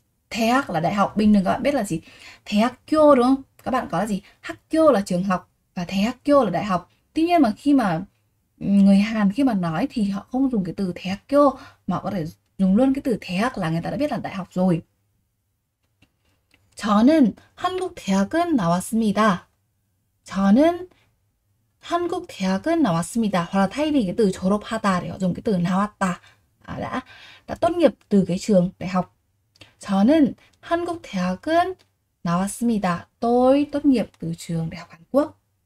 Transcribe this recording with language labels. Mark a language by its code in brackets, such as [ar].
[vi] 대학 là đại học. Bình thường các bạn biết là gì? 대학교 đúng không? Các bạn có là gì? 학교 là trường học và 대학교 là đại học. Tuy nhiên mà khi mà người Hàn khi mà nói thì họ không dùng cái từ thế kia mà có thể dùng luôn cái từ thế, là người ta đã biết là đại học rồi. [ko] 저는 한국 대학은 나왔습니다. 저는 한국 대학은 나왔습니다. [vi] Hoặc là thay vì cái từ 졸업하다 để họ dùng cái từ 나왔다, đã tốt nghiệp từ cái trường đại học. [ko] 저는 한국 대학은 나왔습니다. [vi] Tôi tốt nghiệp từ trường đại học Hàn Quốc.